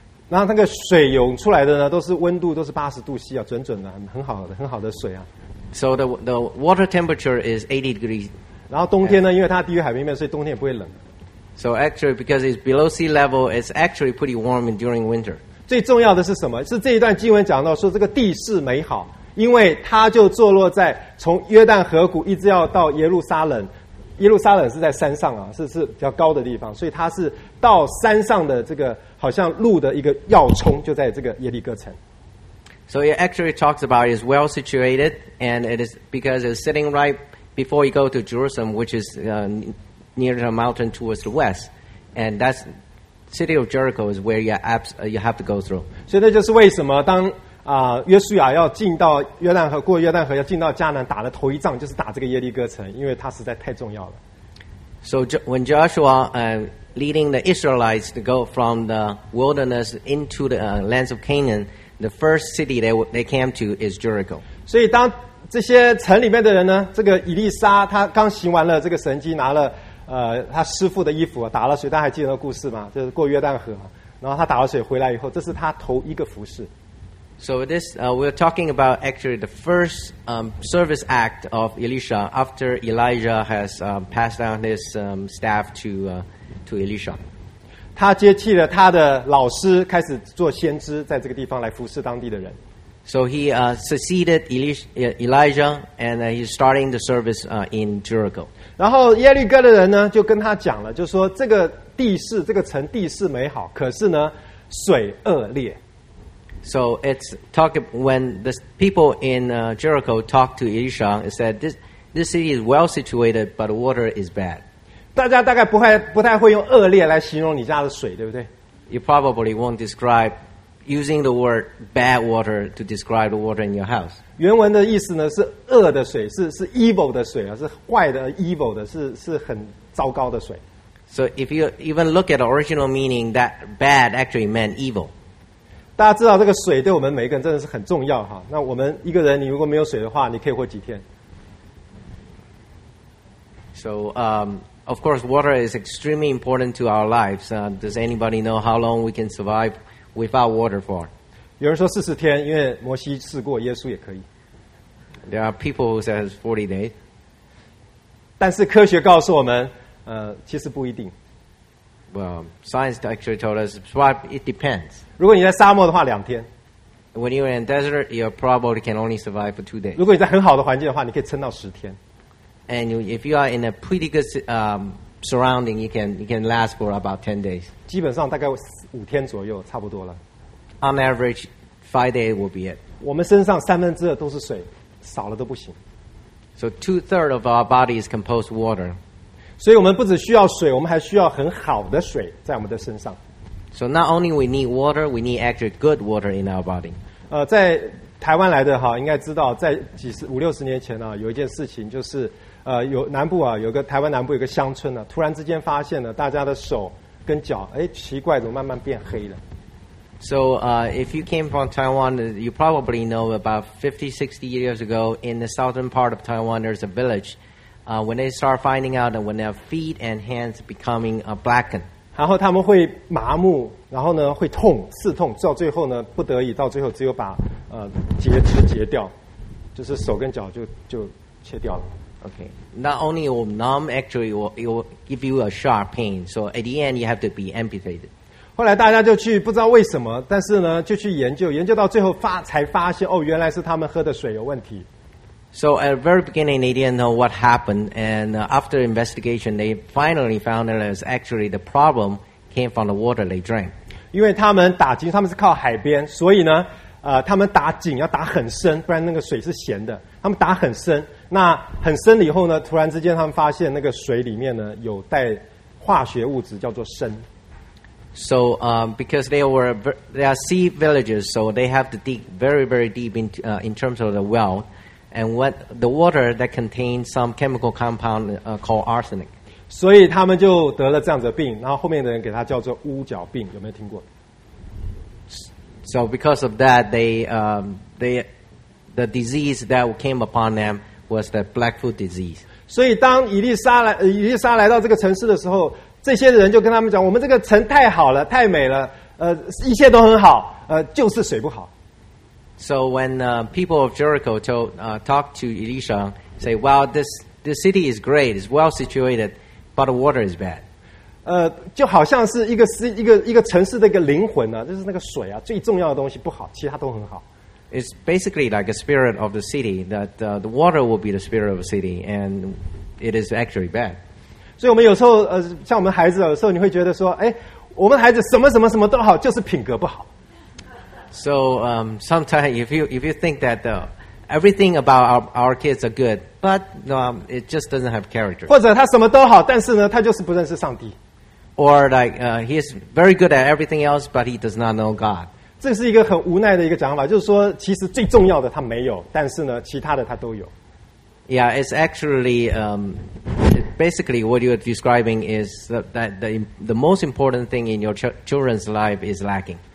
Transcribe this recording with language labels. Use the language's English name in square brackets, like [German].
[Chinese] 那个水涌出来的呢，都是温度都是80度 C 啊，准准的，很好的，很好的水啊。 [English] So the water temperature is 80 degrees. [Chinese] 然后冬天呢，因为它低于海平面，所以冬天也不会冷。 [English] So actually, because it's below sea level, it's actually pretty warm during winter. [Chinese] 最重要的是什么？是这一段经文讲到说这个地势美好，因为它就坐落在从约旦河谷一直要到耶路撒冷，耶路撒冷是在山上啊，是比较高的地方，所以它是到山上的这个好像路的一个要冲，就在这个耶利哥城。 [English] So it actually talks about is well situated, and it is because it's sitting right before you go to Jerusalem, which is near the mountain towards the west, and that's. City of Jericho is where you have to go through. [Chinese] 所以那就是为什么当约书亚要进到约旦河，过约旦河要进到迦南，打的头一仗就是打这个耶利哥城，因为它实在太重要了。 [English] So when Joshua leading the Israelites to go from the wilderness into the lands of Canaan, the first city they came to is Jericho. [Chinese] 所以当这些城里面的人呢，这个以利沙他刚行完了这个神迹，拿了。他师父的衣服、啊、打了水，大家还记得那故事吗？就是过约旦河、啊，然后他打了水回来以后，这是他头一个服事。 [English] So this we're talking about actually the first service act of Elisha after Elijah has passed down his staff to Elisha. [Chinese] 他接替了他的老师，开始做先知，在这个地方来服事当地的人。 [English] So he succeeded Elijah, and he's starting the service in Jericho. [Chinese] 然后耶利哥的人呢，就跟他讲了，就说这个地势，这个城地势美好，可是呢，水恶劣。 [English] So it's talking when the people in Jericho talked to Elisha and said this city is well situated, but the water is bad. [Chinese] 大家大概不太会用恶劣来形容你家的水，对不对 [English] ？You probably won't describe. Using the word bad water to describe the water in your house. [Chinese] 原文的意思呢是恶的水，是 evil 的水啊，是坏的 evil 的，是很糟糕的水。 [English] So if you even look at the original meaning, that bad actually meant evil. [Chinese] 大家知道这个水对我们每一个人真的是很重要哈。那我们一个人，你如果没有水的话，你可以活几天 [English] ？So of course, water is extremely important to our lives. Does anybody know how long we can survive? Without water for. [Chinese] 有人说四十天，因为摩西试过，耶稣也可以。 [English] There are people who say 40 days. [Chinese] 但是科学告诉我们，其实不一定。 [English] Well, science actually told us, but it depends. [Chinese] 如果你在沙漠的话，两天。 [English] When you're in desert, you probably can only survive for 2 days. [Chinese] 如果你在很好的环境的话，你可以撑到十天。 [English] And if you are in a pretty good surrounding, you can last for about 10 days. [Chinese] 基本上大概五天左右，差不多了。 [English] On average, 5 days will be it. [Chinese] 我们身上三分之二都是水，少了都不行。 [English] So 2/3 of our body is composed water. [Chinese] 所以我们不只需要水，我们还需要很好的水在我们的身上。 [English] So not only we need water, we need actually good water in our body. [Chinese] 在台湾来的哈，应该知道，在五六十年前啊，有一件事情就是。有南部啊，有个台湾南部有个乡村呢、啊，突然之间发现了大家的手跟脚，哎，奇怪，怎么慢慢变黑了 [English] ？So, if you came from Taiwan, you probably know about 50-60 years ago in the southern part of Taiwan, there's a village. When they start finding out that when their feet and hands becoming blackened, [Chinese] 然后他们会麻木，然后呢会痛，刺痛，到最后呢不得已，到最后只有把截肢截掉，就是手跟脚就切掉了。 [English] Okay, not only it will numb, actually it will give you a sharp pain. So at the end, you have to be amputated. [Chinese] 后来大家就去不知道为什么，但是呢就去研究到最后才发现哦，原来是他们喝的水有问题。 [English] So at the very beginning, they didn't know what happened, and after investigation, they finally found that it was actually the problem came from the water they drank. [Chinese] 因为他们打井，他们是靠海边，所以呢，他们打井要打很深，不然那个水是咸的。他们打很深，那很深了以后呢，突然之间他们发现那个水里面呢有带化学物质，叫做砷。 [English] So, because they are sea villages, so they have to dig very, very deep in terms of the well. And what the water that contains some chemical compound called arsenic. [Chinese] 所以他们就得了这样子的病，然后后面的人给他叫做乌角病，有没有听过？ [English] So because of that, the disease that came upon them was the Blackfoot disease. [Chinese] 所以当以利沙来到这个城市的时候，这些人就跟他们讲：我们这个城太好了，太美了，一切都很好，就是水不好。 [English] So when people of Jericho talked to Elisha, say, well, this city is great, it's well situated, but the water is bad. [Chinese] 就好像是一个城市的一个灵魂啊，就是那个水啊，最重要的东西不好，其他都很好。 [English] It's basically like a spirit of the city, that the water will be the spirit of the city, and it is actually bad. [Chinese] 所以我们有时候，像我们孩子，有时候你会觉得说，哎，我们孩子什么什么什么都好，就是品格不好。 [English] So sometimes if you think that everything about our kids are good, but it just doesn't have character. [Chinese] 或者他什么都好，但是呢，他就是不认识上帝。 [English] Or like he is very good at everything else, but he does not know God. [Chinese] 这是一个很无奈的一个讲法，就是说，其实最重要的他没有，但是呢，其他的他都有。 [English] Yeah, it's actually basically what you're describing is that the most important thing in your children's life is lacking.